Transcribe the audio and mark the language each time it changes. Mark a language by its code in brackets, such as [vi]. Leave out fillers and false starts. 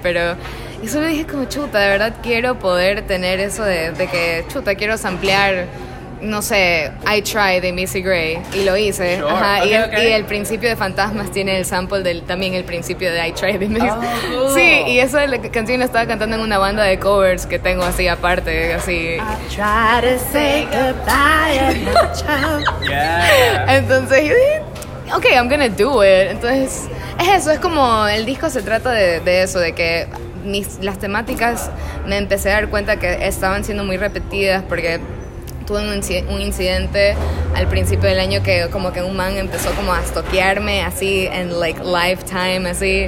[es] Pero eso me dije como, chuta, de verdad quiero poder tener eso de que, chuta, quiero samplear, no sé, I Tried de Missy Gray, y lo hice. [en] Sure. [es] Ajá. [en] Okay, [es] y, okay, y el principio de Fantasmas tiene el sample del, también el principio de I Tried de Missy. [en] Oh, cool. [es] Sí, y esa canción la estaba cantando en una banda de covers que tengo así aparte, así. [en] I tried to say goodbye and my child. Yeah. [es] Entonces yo dije, [en] okay, I'm gonna do it. [es] Entonces, es eso, es como el disco se trata de eso, de que las temáticas me empecé a dar cuenta que estaban siendo muy repetidas, porque tuve un incidente al principio del año que como que un man empezó como a stalkearme así en [en] like lifetime [es] así.